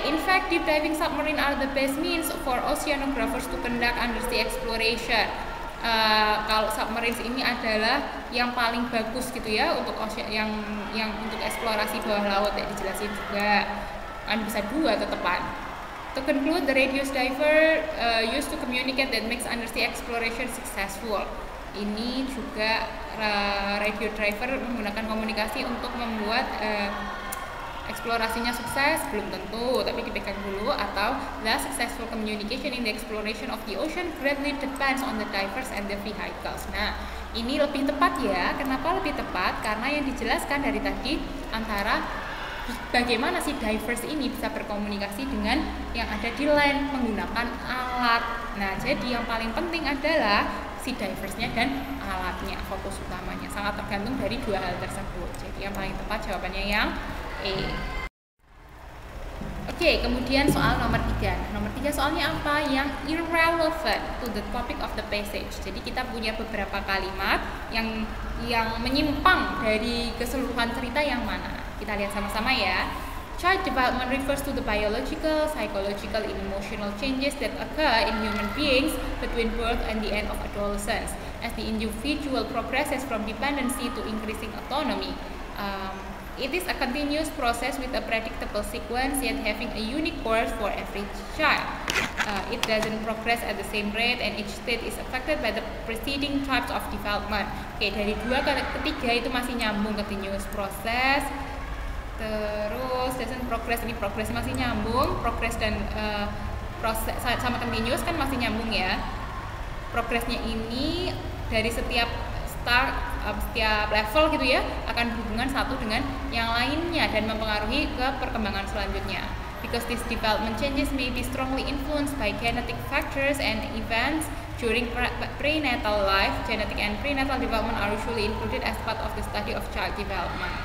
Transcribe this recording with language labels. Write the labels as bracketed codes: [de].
[en] In fact, deep diving submarine are the best means for oceanographers to conduct undersea exploration. [id] Kalau submarines ini adalah yang paling bagus gitu ya untuk yang untuk eksplorasi bawah laut, ya dijelasin juga kan bisa dua tetepan. [en] To conclude, the radius diver used to communicate that makes undersea exploration successful. [id] Ini juga radio driver menggunakan komunikasi untuk membuat eksplorasinya sukses, belum tentu, tapi dipegang dulu. [en] Atau the successful communication in the exploration of the ocean greatly depends on the divers and the vehicles. [id] Nah, ini lebih tepat ya. Kenapa lebih tepat? Karena yang dijelaskan dari tadi antara bagaimana si divers ini bisa berkomunikasi dengan yang ada di land menggunakan alat. Nah, jadi yang paling penting adalah si diversnya dan alatnya, fokus utamanya sangat tergantung dari dua hal tersebut. Jadi yang paling tepat jawabannya yang E. Oke, kemudian soal nomor 3. Nomor 3 soalnya apa? Yang [en] irrelevant to the topic of the passage. [id] Jadi kita punya beberapa kalimat yang menyimpang dari keseluruhan cerita yang mana? Kita lihat sama-sama ya. [en] Child development refers to the biological, psychological, and emotional changes that occur in human beings between birth and the end of adolescence as the individual progresses from dependency to increasing autonomy. It is a continuous process with a predictable sequence yet having a unique course for every child. It doesn't progress at the same rate and each state is affected by the preceding types of development. [id] Okay, dari dua ke ketiga itu masih nyambung, continuous process. Terus doesn't progress, ini progress masih nyambung, progress dan proses sama continuous kan masih nyambung ya. Progressnya ini dari setiap start setiap level gitu ya akan berhubungan satu dengan yang lainnya dan mempengaruhi ke perkembangan selanjutnya. [en] Because this development changes may be strongly influenced by genetic factors and events during prenatal life. Genetic and prenatal development are usually included as part of the study of child development.